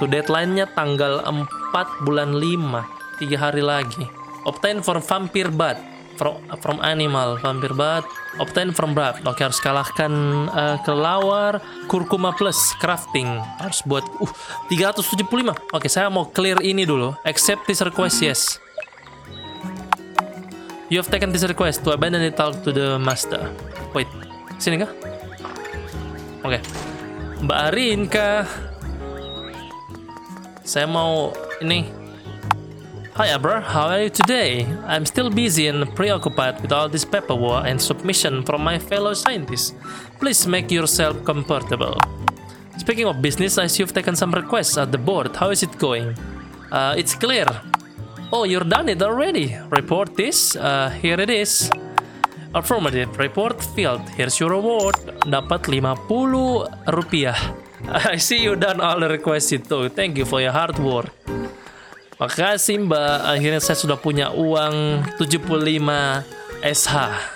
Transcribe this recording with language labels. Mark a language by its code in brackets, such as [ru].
[id] Deadline-nya tanggal 4 bulan 5, 3 hari lagi. [en] Obtain from vampire bat, from animal, vampire bat. Obtain from bat, [id] oke harus kalahkan kelawar. Kurkuma plus, crafting, harus buat 375. Oke, saya mau clear ini dulu. [en] Accept this request, yes. You have taken this request to abandon it, talk to the master. Wait, [id] sini kah? Oke. Mbak Arinka, saya mau ini. [en] Hi Abra, how are you today? I'm still busy and preoccupied with all this paperwork and submission from my fellow scientists. Please make yourself comfortable. Speaking of business, as you've taken some requests at the board, how is it going? It's clear. Oh, you're done it already. Report this. Here it is. Affirmative, report field, here's your reward, [id] dapat [en] ₹50. I see you done all the requests itu, thank you for your hard work. [id] Makasih mbak, akhirnya saya sudah punya uang 75 SH.